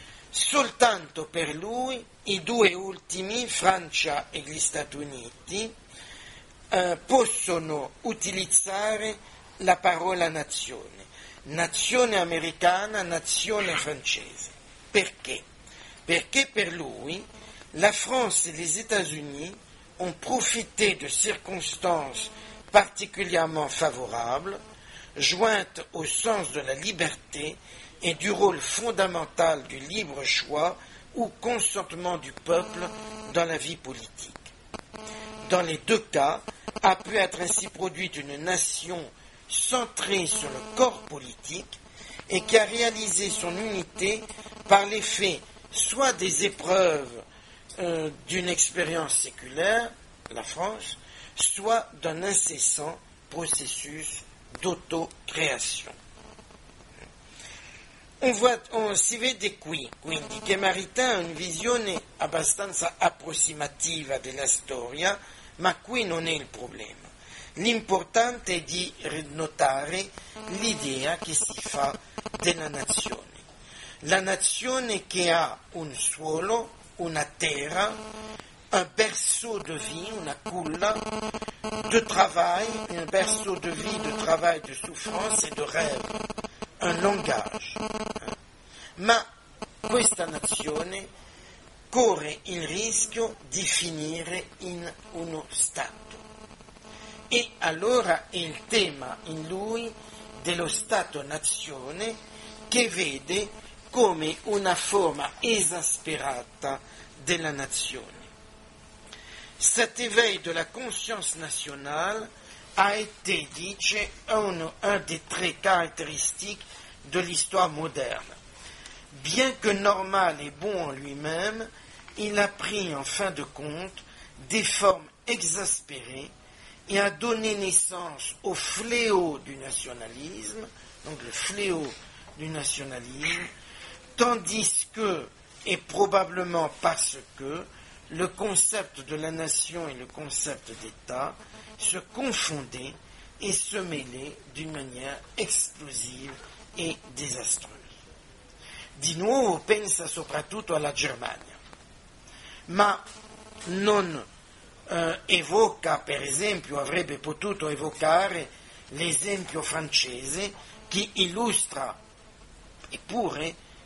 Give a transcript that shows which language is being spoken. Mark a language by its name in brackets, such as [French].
[Italian] Soltanto per lui, i due ultimi, Francia e gli Stati Uniti, possono utilizzare la parola nazione. Nazione americana, nazione francese. Perché? Perché per lui [French] la France e les États-Unis ont profité de circonstances particulièrement favorables, jointes au sens de la liberté et du rôle fondamental du libre choix ou consentement du peuple dans la vie politique. Dans les deux cas, a pu être ainsi produite une nation centrée sur le corps politique et qui a réalisé son unité par l'effet soit des épreuves d'une expérience séculaire, la France, soit d'un incessant processus d'autocréation. [Italian] On si vede qui, quindi, che Marita ha una visione abbastanza approssimativa della storia, ma qui non è il problema. L'importante è di notare l'idea che si fa della nazione. La nazione che ha un suolo, una terra, [French] un berceau de vie, una culla, de travail, un berceau de vie, de travail, de souffrance et de rêve, un langage. [Italian] Ma questa nazione corre il rischio di finire in uno Stato. E allora è il tema in lui dello Stato-nazione che vede come una forma esasperata della nazione. [French] Cet éveil de la conscience nationale a été, [Italian] dice, [French] un des traits caractéristiques de l'histoire moderne. Bien que normal et bon en lui-même, il a pris en fin de compte des formes exaspérées et a donné naissance au fléau du nationalisme, donc le fléau du nationalisme, tandis que et probablement parce que le concept de la nation et le concept d'État se confondaient et se mêlaient d'une manière explosive et désastreuse. [Italian] Di nuovo pensa soprattutto alla Germania, ma non evoca, per esempio, avrebbe potuto evocare l'esempio francese che illustra, eppure